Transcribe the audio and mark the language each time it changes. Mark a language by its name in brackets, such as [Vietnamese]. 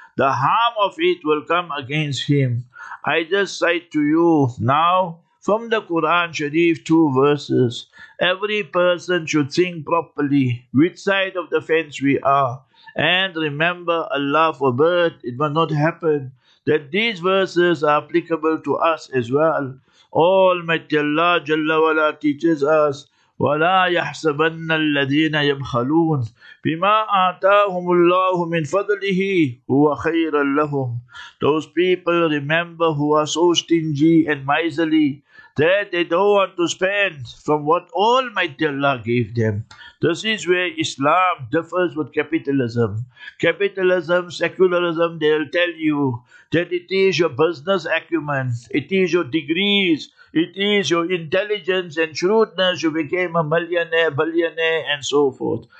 [English] The harm of it will come against him. I just cite to you now from the Quran Sharif 2 verses. Every person should think properly which side of the fence we are. And remember, Allah forbid, it must not happen that these verses are applicable to us as well. Almighty Allah Jalla Wala teaches us, [Arabic] وَلَا يَحْسَبَنَّ الَّذِينَ يَبْخَلُونَ بِمَا آتَاهُمُ اللَّهُ مِنْ فَضْلِهِ هُوَ خَيْرًا لَهُمْ. [English] Those people, remember, who are so stingy and miserly that they don't want to spend from what Almighty Allah gave them. This is where Islam differs with capitalism. Capitalism, secularism, they'll tell you that it is your business acumen, it is your degrees, it is your intelligence and shrewdness, you became a millionaire, billionaire, and so forth.